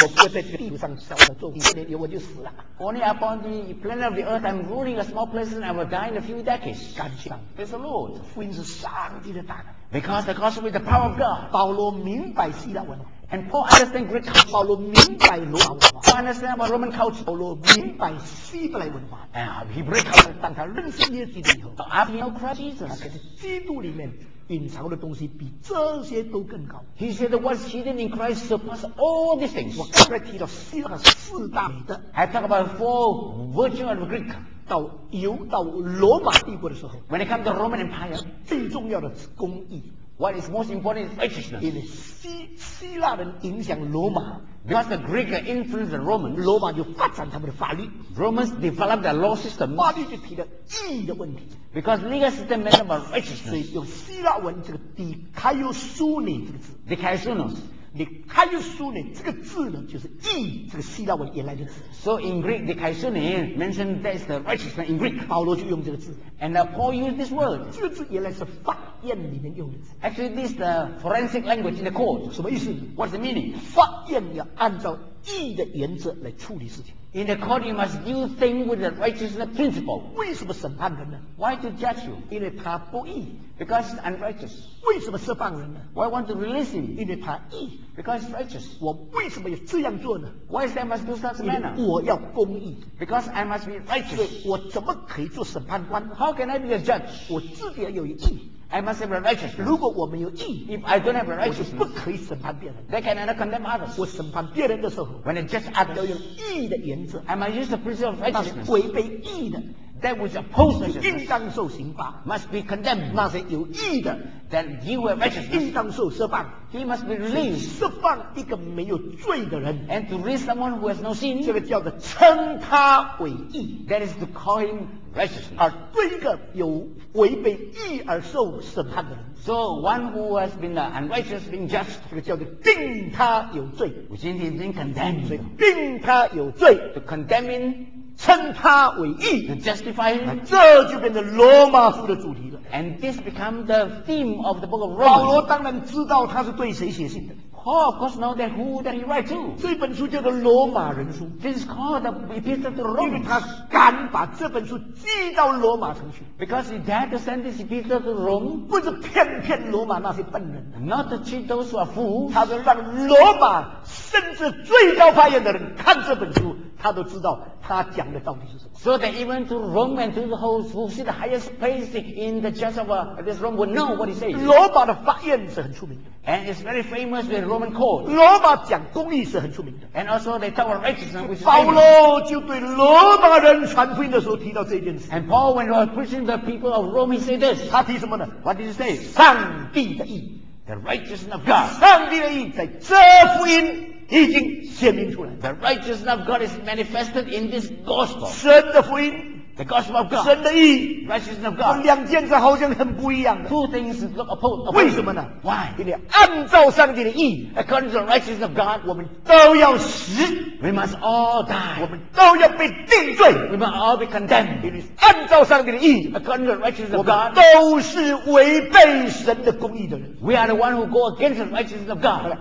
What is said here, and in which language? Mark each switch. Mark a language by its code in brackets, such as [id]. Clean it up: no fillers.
[zh] 我不会在这个地上小的做，过年我就死了。 [en] Only upon the planet of the earth, I'm ruling a small place, and I will die in a few decades。 [zh] 感谢上帝 [en] ，It's the Lord。 [zh] 福音是上帝的大能。 [en] Because the gospel is the power of God。 [zh] 保罗明白希腊文。 [en] And Paul understands Greek culture. [zh] Paul 明白罗马文化。 [en] Paul understands about Roman culture. [zh] Paul 明白希伯来文化。 [en] And Hebrew culture. [zh] 当他认识耶稣以后 [en] ，But after he knew Christ Jesus, [zh] 他觉得基督里面隐藏的东西比这些都更高。 [en] He said that what's hidden in Christ surpasses all these things. [zh] 我刚才提到希腊四大美德 [en] ，I talk about four virtues of Greek. [zh] 到犹到罗马帝国的时候 [en] ，When it comes to Roman Empire, [zh] 最重要的是公义。 [en] What is most important is righteousness. [zh] 因为希腊人影响罗马 [en] ，because the Greek influence the Romans. [zh] 罗马就发展他们的法律。 [en] Romans developed their law system. [zh] 法律就提了义的问题。 [en] Because legal system meant about righteousness. [zh] 所以用希腊文这个 dikaiosune 这个字。 [el] dikaiosunos. [zh] dikaiosune 这个字呢，就是义这个希腊文原来的字。 [en] So in Greek, dikaiosune mentioned that's the righteousness in Greek. [zh] 保罗就用这个字。 [en] And Paul used this word. [zh] 这个字原来是法。 [en] Actually, this is the forensic language in the court. [zh] 什么意思 [en] ？What's the meaning? [zh] 法院要按照义的原则来处理事情。 [en] In the court, you must do things with the righteousness principle. [zh] 为什么审判人呢 [en] ？Why to judge you? [zh] 因为他不义。 [en] Because he's unrighteous. [zh] 为什么释放人呢 [en] ？Why want to release him? [zh] 因为他义。 [en] Because he's righteous. [zh] 我为什么要这样做呢 [en] ？Why they must do such manner? [zh] 我要公义。 [en] Because I must be righteous. [zh] 我怎么可以做审判官 [en] ？How can I be a judge? [zh] 我自己要有义。 [en] I must have a righteousness. [zh] 如果我没有义 [en] ，If I don't have a righteousness， [zh] 我就不可以审判别人。 [en] They cannot condemn others. [zh] 我审判别人的时候 [en] ，When I judge others， [zh] 要用义的原则。 [en] I must use the principle of righteousness. [zh] 违背义的 [en] ，That which opposes righteousness， [zh] 应当受刑罚。 [en] Must be condemned. [zh] 那些有义的 [en] ，That he will righteous， [zh] 应当受释放。 [en] He must be released. [zh] 释放一个没有罪的人 [en] ，And to release someone who has no sin， [zh] 这个叫做称他为义。 [en] That is to call him righteousness. [zh] 而对一个有违背义而受审判的人 [en] ，So one who has been unrighteous being judged， [zh] 这个叫做定他有罪。 [en] We should have been condemned. [zh] 所以定他有罪 [en] ，to condemn him， [zh] 称他为义 [en] ，to justify him， [zh] 这就变成罗马书的主题了。 [en] And this becomes the theme of the book of Romans. [zh] 保罗当然知道他是对谁写信的。 [en] Paul, of course, knows that who that he writes to. [zh] 这本书叫做《罗马人书》。 [en] This is called the Epistle to Romans. [zh] 因为他敢把这本书寄到罗马城去。 [en] Because he dared to send this Epistle to Rome. [zh] 不是骗骗罗马那些笨人。 [en] Not to cheat those who are fools. [zh] 他是让罗马甚至最高法院的人看这本书，他都知道他讲的到底是什么。 [en] So that even to Rome and to the host who see the highest place in the church of this Rome will know what he says. [zh] 罗马的法院是很出名的。 [en] And it's very famous with Roman court. [zh] 罗马讲公义是很出名的。 [en] And also they talk about righteousness, which is famous. [zh] 保罗就对罗马人传福音的时候提到这件事。 [en] And Paul, when he was preaching the people of Rome, he said this. [zh] 他提什么呢 [en] ？What did he say? [zh] 上帝的义。 [en] The righteousness of God. [zh] 上帝的义在这福音已经显明出来。 [en] The righteousness of God is manifested in this gospel. [zh] 神的福音。 [en] The gospel of God. [zh] 神的义。 [en] Righteousness of God. [zh] 两件事好像很不一样的。 [en] Two things look opposed. [zh] 为什么呢 [en] ？Why? [zh] 因为按照上帝的义 [en] ，according to the righteousness of God， [zh] 我们都要死。 [en] We must all die. [zh] 我们都要被定罪。 [en] We must all be condemned. [zh] 因为按照上帝的义 [en] ，according to the righteousness of God， [zh] 都是违背神的公义的人。 [en] We are the one who go against the righteousness of God.